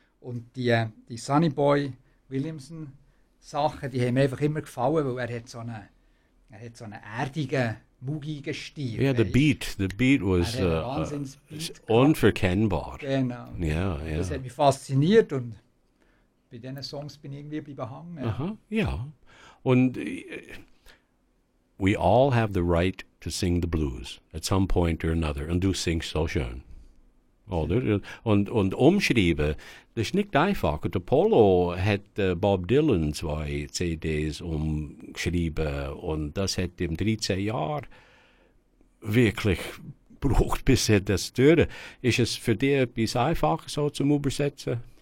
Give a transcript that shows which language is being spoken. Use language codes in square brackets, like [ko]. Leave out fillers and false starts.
[de] Und die Sonny Boy Williamson-Sachen, die haben mir einfach immer gefallen, weil er hat so einen erdigen, muggigen Stil. [en] Ja, the beat was unverkennbar. [de] Genau. [en] Yeah. [de] Das hat mich fasziniert und bei diesen Songs bin ich irgendwie geblieben hängen. [en] We all have the right to sing the blues at some point or another and do sing [de] so schön. Oder? Und umschreiben, das ist nicht einfach. Der Polo hat Bob Dylan zwei CDs umschrieben und das hat ihm 13 Jahre wirklich gebraucht, bis er das durfte. Ist es für dich etwas einfacher so zum Übersetzen?